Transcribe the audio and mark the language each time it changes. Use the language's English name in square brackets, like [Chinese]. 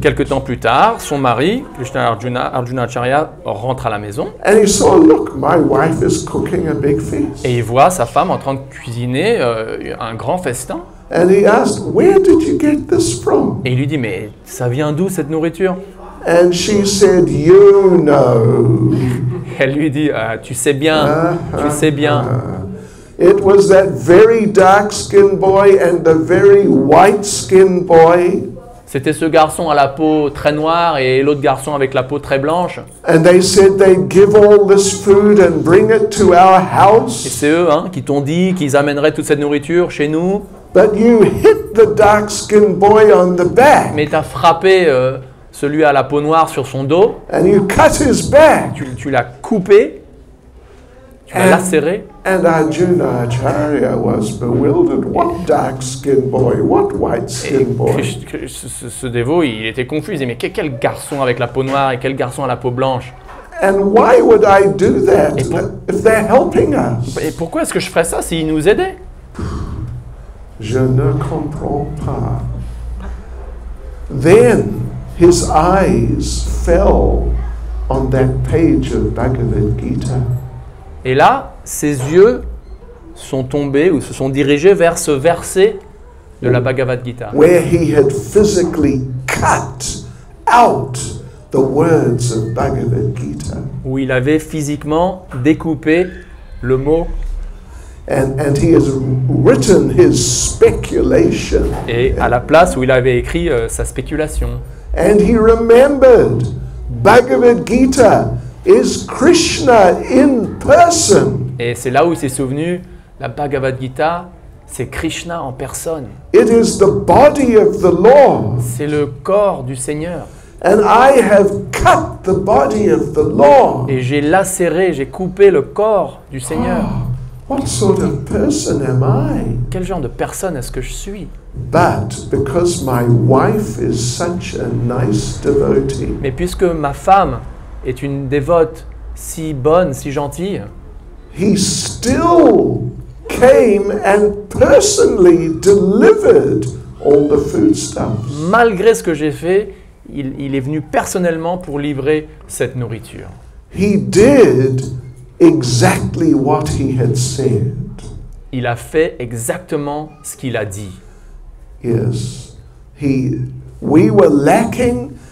[French] Quelque temps plus tard, son mari, Krishna Arjuna, Arjunacharya, rentre à la maison. [English] And he saw, look, my wife is cooking a big feast. [French] Et il voit sa femme en train de cuisiner un grand festin. [English] And he asked, where did you get this from? [French] Et il lui dit, mais ça vient d'où cette nourriture? [English] And she said, you know. [French] Elle lui dit, tu sais bien, tu sais bien. [English] It was that very dark-skinned boy and the very white-skinned boy. [French] C'était ce garçon à la peau très noire et l'autre garçon avec la peau très blanche. [English] And they said they give all this food and bring it to our house. [French] Et c'est eux, hein, qui t'ont dit qu'ils amèneraient toute cette nourriture chez nous. [English] But you hit the dark-skinned boy on the back. [French] Mais t'as frappé celui à la peau noire sur son dos. [English] And you cut his back. [French] Tu l'as coupé. Lacéré. [English] And Arjunacharya was bewildered. What dark-skinned boy? What white-skinned boy? [French] Ce dévot, il était confus. Mais quel garçon avec la peau noire et quel garçon à la peau blanche? [English] And why would I do that if they're helping us? [French] Et pourquoi est-ce que je ferais ça s'ils nous aidaient? Je ne comprends pas. [English] Then his eyes fell on that page of Bhagavad Gita. [French] Et là, ses yeux sont tombés ou se sont dirigés vers ce verset de la Bhagavad Gita. [English] Where he had physically cut out the words of Bhagavad Gita. [French] Où il avait physiquement découpé le mot. [English] And he has written his speculation. [French] Et à la place où il avait écrit sa spéculation. [English] And he remembered Bhagavad Gita. Is Krishna in person? [French] Et c'est là où il s'est souvenu, la Bhagavad Gita, c'est Krishna en personne. [English] It is the body of the Lord. [French] C'est le corps du Seigneur. [English] And I have cut the body of the Lord. [French] Et j'ai lacéré, j'ai coupé le corps du Seigneur. [English] Oh, what sort of person am I? [French] Quel genre de personne est-ce que je suis? [English] But because my wife is such a nice devotee. [French] Mais puisque ma femme est une dévote si bonne, si gentille. [English] He still came and personally delivered all the foodstuffs. [French] Malgré ce que j'ai fait, il est venu personnellement pour livrer cette nourriture. [English] He did exactly what he had said. [French] Il a fait exactement ce qu'il a dit. [English] Yes, we were lacking.